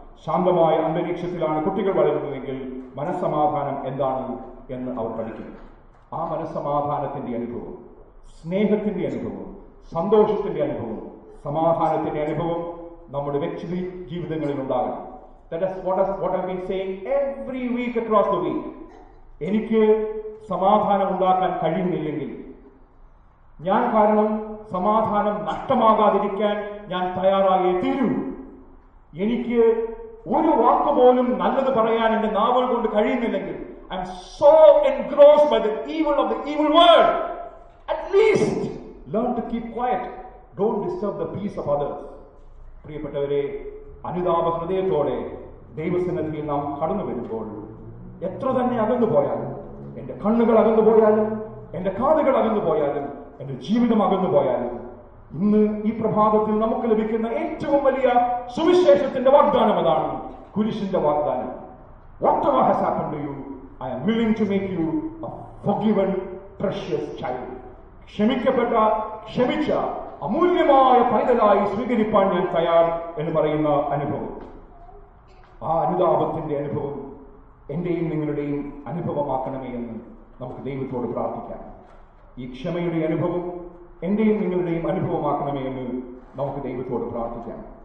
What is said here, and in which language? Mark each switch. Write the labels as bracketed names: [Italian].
[Malayalam] ശാന്തമായ അന്തരീക്ഷത്തിലാണ് കുട്ടികൾ വളരുന്നതെങ്കിൽ മനസ്സമാധാനം എന്താണ് എന്ന് അവർ പഠിക്കും. ആ മനസ്സമാധാനത്തിന്റെ അനുഭവം, സ്നേഹത്തിന്റെ അനുഭവം, സന്തോഷത്തിന്റെ അനുഭവം, സമാധാനത്തിന്റെ അനുഭവം നമ്മുടെ വ്യക്തി ജീവിതങ്ങളിൽ ഉണ്ടാകും. [English] That is what I've been saying every week across the week. [Malayalam] എനിക്ക് സമാധാനം ഉണ്ടാക്കാൻ കഴിയുന്നില്ലെങ്കിൽ, ഞാൻ കാരണം സമാധാനം നഷ്ടമാകാതിരിക്കാൻ ഞാൻ തയ്യാറായേ തീരൂ. എനിക്ക് ഒരു വാക്കുപോലും നല്ലത് പറയാൻ എന്റെ നാവുകൾ കൊണ്ട് കഴിയുന്നില്ലെങ്കിൽ, [English] and so engrossed by the evil of the evil world, at least learn to keep quiet. Don't disturb the peace of others. [Malayalam] പ്രിയപ്പെട്ടവരെ, അനുതാപ ഹൃദയത്തോടെ ദൈവസന്നിധിയിൽ നാം കടന്നു വരുമ്പോൾ എത്ര തന്നെ അകന്നു പോയാലും, എന്റെ കണ്ണുകൾ അകന്നു പോയാലും, എന്റെ കാതുകൾ അകന്നു പോയാലും, എന്റെ ജീവിതം അകന്നു പോയാലും, ഇന്ന് ഈ പ്രഭാതത്തിൽ നമുക്ക് ലഭിക്കുന്ന ഏറ്റവും വലിയ സുവിശേഷത്തിന്റെ വാഗ്ദാനം അതാണ്, കുരിശിന്റെ വാഗ്ദാനം. [English] Whatever has happened to you, I am willing to make you a forgiven, precious child. [Malayalam] ക്ഷമിക്കപ്പെട്ട, ക്ഷമിച്ച, അമൂല്യമായ പൈതലായി സ്വീകരിപ്പാൻ ഞാൻ തയ്യാർ എന്ന് പറയുന്ന അനുഭവം, ആ അനുതാപത്തിന്റെ അനുഭവം എന്റെയും നിങ്ങളുടെയും അനുഭവമാക്കണമേ എന്ന് നമുക്ക് ദൈവത്തോട് പ്രാർത്ഥിക്കാം. ഈ ക്ഷമയുടെ അനുഭവം എന്റെയും നിങ്ങളുടെയും അനുഭവമാക്കണമേ എന്ന് നമുക്ക് ദൈവത്തോട് പ്രാർത്ഥിക്കാം.